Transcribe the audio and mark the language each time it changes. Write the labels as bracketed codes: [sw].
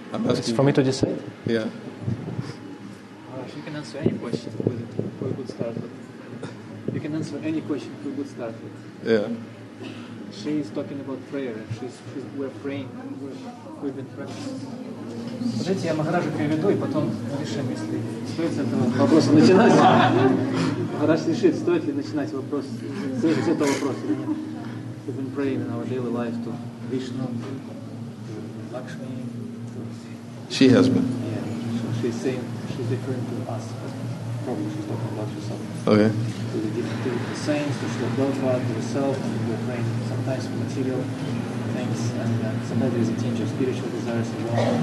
[en] It's for me to decide. Yeah. She can answer. answer any question with it, for a good start. But you can answer any question for a good start. But yeah. She is talking about prayer, and she's we're praying, we've been practicing. [ru] Скажите, я Махараджу приведу, и потом решим, если стоит с этого вопроса начинать. Махарадж решит, стоит ли начинать вопрос с этого вопроса или нет. [en] We've been praying in our daily life to Vishnu, to Lakshmi. She has been. Yeah, so she's saying, she's referring to us, but probably she's talking about herself. Okay. To the different saints, to Shri Prabhupada, to herself, we're praying sometimes for material things, and sometimes there's a tinge of spiritual desires as well.